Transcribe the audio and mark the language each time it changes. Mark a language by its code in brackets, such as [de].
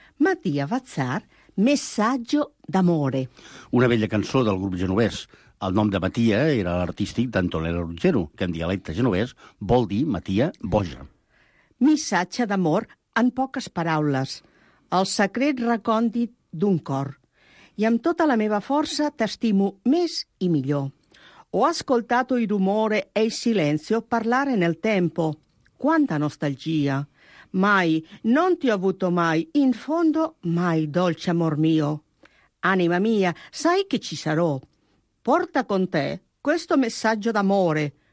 [it] Mattia Vazzar, Messaggio d'amore. [ca] Una bella cançó del grup genovès. El nom de Mattia era l'artístic d'Antonella Ruggero, que en dialecte genovès vol dir Mattia Boja. Missatge d'amor en poques paraules. El secret recòndit d'un cor. I amb tota la meva força t'estimo més i millor. [it] Ho ascoltato i rumore e il silenzio parlare nel tempo. Quanta nostalgia. Mai, non ti ho avuto mai, in fondo mai, dolce amor mio. Anima mia, sai che ci sarò. Porta con te questo messaggio d'amore.